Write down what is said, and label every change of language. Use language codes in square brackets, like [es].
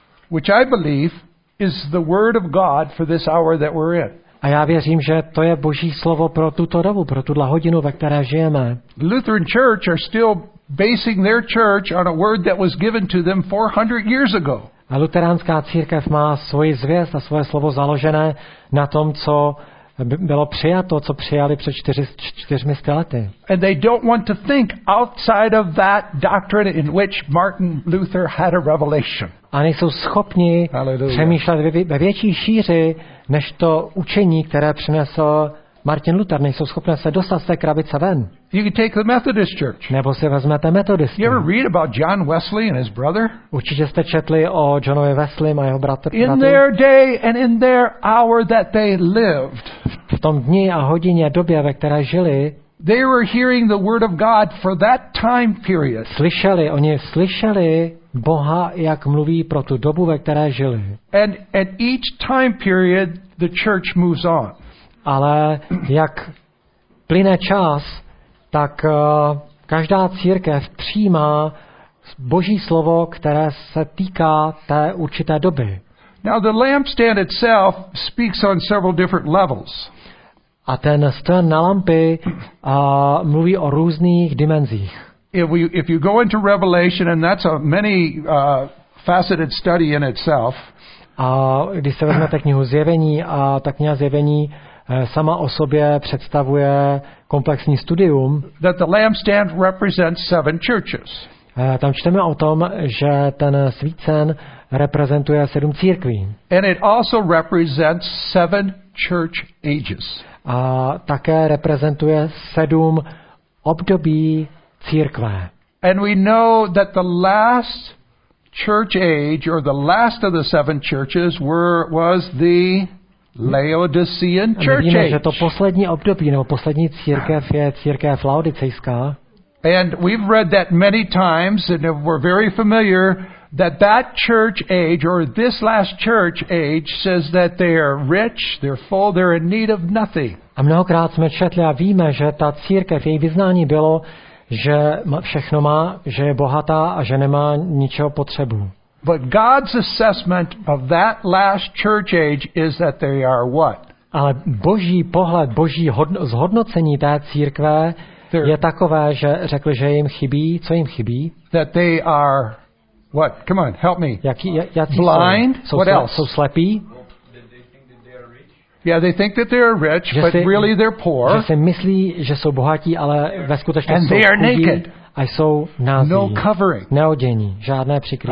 [en] which I believe is the word of God for this hour that we're in. [cs] A já věřím, že to je Boží slovo pro tuto dobu, pro tuhle hodinu, ve které žijeme. [en] Lutheran church are still basing their church on a word that was given to them 400 years ago. [cs] A luteránská církev má svoji zvěst a svoje slovo založené na tom, co bylo přijato, co přijali před 400 lety. [en] And they don't want to think outside of that doctrine in which Martin Luther had a revelation. [cs] A nejsou schopni přemýšlet ve větší šíři, než to učení, které přinesl Martin Luther. Nejsou schopni se dostat z té krabice ven. [en] You can take the Methodist church. [cs] Nebo si vezmete metodisty. [en] You ever read about John Wesley and his brother? [cs] Určitě jste četli o Johnovi Wesleym a jeho bratrovi. [en] In their day and in their hour that they lived. [cs] V tom dni a hodině a době, ve které žili, [en] they were hearing the word of God for that time period. [cs] Slyšeli, oni slyšeli Boha, jak mluví pro tu dobu, ve které žili. [en] And at each time period the church moves on. [cs] Ale jak plyne čas, tak každá církev přijímá Boží slovo, které se týká té určité doby. [en] Now the lampstand itself speaks on several different levels. [cs] A ten stůl na lampy mluví o různých dimenzích. [en] If you go into Revelation, and that's a many faceted study in itself. [cs] A když se vezmete knihu Zjevení a ta kniha Zjevení sama o sobě představuje komplexní studium. [en] That the lampstand represents seven churches. [cs] Tam čteme o tom, že ten svícen reprezentuje sedm církví. [en] And it also represents seven church ages. [cs] A také reprezentuje sedm období církve. [en] And we know that the last church age or the last of the seven churches was the Laodicean church age. [cs] A my víme, že to poslední období nebo poslední církev je církev Laodicejská. [en] And we've read that many times and we're very familiar that that church age or this last church age says that they are rich, they're full, they're in need of nothing. [cs] A mnohokrát jsme četli a víme, že ta církev, její vyznání bylo, že všechno má, že je bohatá a že nemá ničeho potřebu. [en] But God's assessment of that last church age is that they are what? [cs] Ale boží pohled, boží zhodnocení té církve je takové, že řekl, že jim chybí, co jim chybí? [en] That they are what? Come on, help me. Blind? What else? [cs] Jsou slepí? [en] Yeah, they think that they are rich, [cs] že [en] but si, really they're poor. [cs] Že si myslí, že jsou bohatí, ale ve skutečnosti [en] and [cs] jsou [en] they are naked. [cs] A jsou nazí. [en] No covering. [cs] Neodění, žádné přikrytí.